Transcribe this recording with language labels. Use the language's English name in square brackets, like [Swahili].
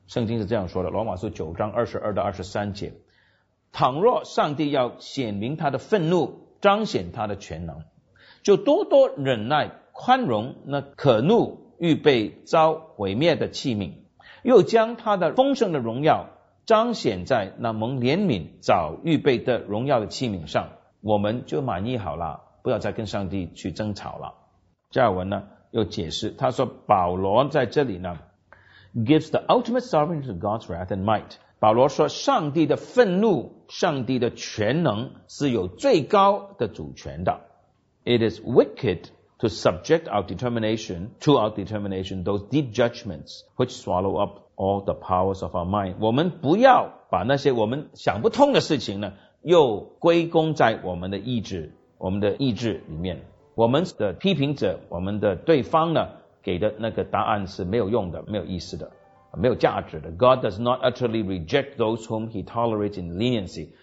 [Chinese] 圣经是这样说的，罗马书9章22到23节。倘若上帝要显明他的愤怒，彰显他的全能，就多多忍耐宽容那可怒预备遭毁灭的器皿，又将他的丰盛的荣耀彰显在那蒙怜悯早预备的荣耀的器皿上，我们就满意好了，不要再跟上帝去争吵了。加尔文呢又解释，他说保罗在这里呢 [English] gives the ultimate sovereignty to God's wrath and might。 [Chinese] 保罗说上帝的愤怒，上帝的全能是有最高的主权的。 [English] It is wicked to subject our determination to our determination those deep judgments which swallow up all the powers of our mind。 [Chinese] 我们不要把那些我们想不通的事情呢又归功在我们的意志，我们的意志里面，我们的批评者，我们的对方呢给的那个答案是没有用的，没有意思的，没有价值的。 [English] God does not utterly reject those whom he tolerates in leniency。